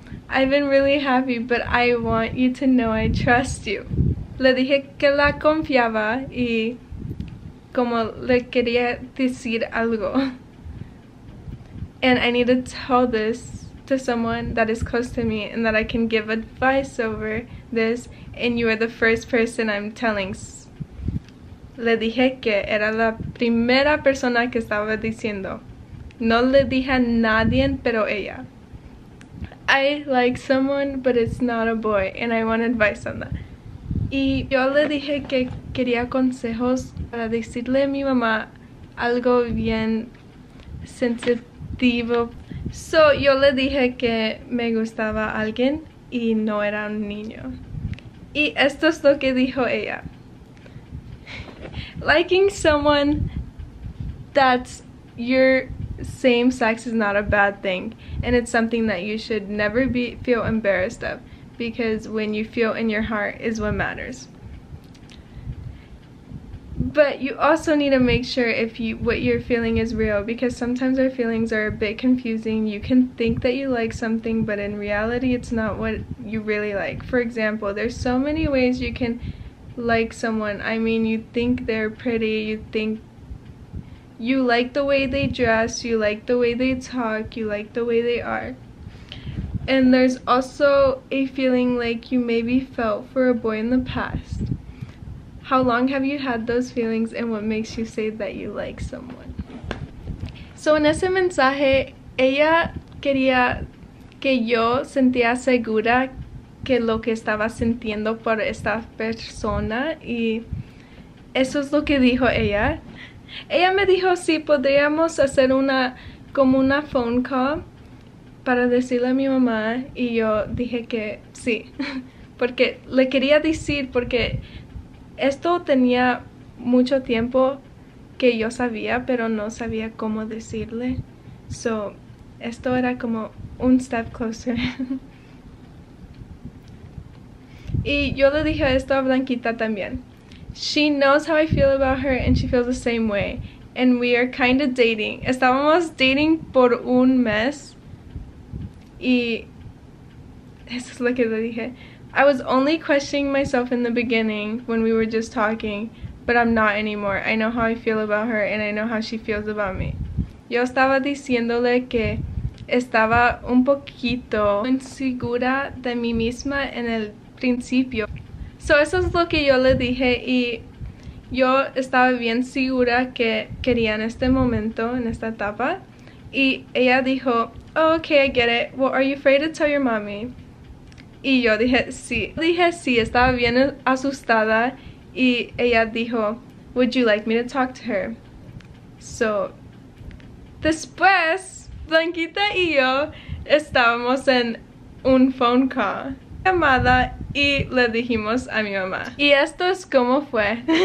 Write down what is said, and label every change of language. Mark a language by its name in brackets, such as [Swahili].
[English] I've been really happy, but I want you to know I trust you. [Spanish] Le dije que la confiaba y como le quería decir algo. [English] And I need to tell this to someone that is close to me and that I can give advice over this. And you are the first person I'm telling. [Spanish] Le dije que era la primera persona que estaba diciendo. No le dije a nadie, pero ella. [English] I like someone, but it's not a boy, and I want advice on that. [Spanish] Y yo le dije que quería consejos para decirle a mi mamá algo bien sensitivo. So yo le dije que me gustaba alguien y no era un niño. Y esto es lo que dijo ella. [English] Liking someone that's your same sex is not a bad thing, and it's something that you should never be feel embarrassed of, because when you feel in your heart is what matters. But you also need to make sure if you what you're feeling is real, because sometimes our feelings are a bit confusing. You can think that you like something, but in reality it's not what you really like. For example, there's so many ways you can like someone. I mean, you think they're pretty, you think you like the way they dress, you like the way they talk, you like the way they are. And there's also a feeling like you maybe felt for a boy in the past. How long have you had those feelings, and what makes you say that you like someone? [Spanish] So en ese mensaje, ella quería que yo sentía segura que lo que estaba sintiendo por esta persona, y eso es lo que dijo ella. Ella me dijo si podríamos hacer una como una phone call para decirle a mi mamá, y yo dije que sí, porque le quería decir, porque esto tenía mucho tiempo que yo sabía, pero no sabía cómo decirle. So, esto era como un [English] step closer. [Spanish] Y yo le dije esto a Blanquita también. [English] She knows how I feel about her and she feels the same way. And we are kind of dating. [Spanish] Estábamos dating por un mes. Y eso es lo que le dije. [English] I was only questioning myself in the beginning when we were just talking, but I'm not anymore. I know how I feel about her and I know how she feels about me. [Spanish] Yo estaba diciéndole que estaba un poquito insegura de mí misma en el principio. So eso es lo que yo le dije, y yo estaba bien segura que quería en este momento, en esta etapa. Y ella dijo, [English] oh, okay, I get it. Well, are you afraid to tell your mommy? [Spanish] Y yo dije sí. Dije sí, estaba bien asustada. Y ella dijo, [English] would you like me to talk to her? [Spanish] So, después, Blanquita y yo estábamos en un phone call. Llamada, y le dijimos a mi mamá. Y esto es cómo fue.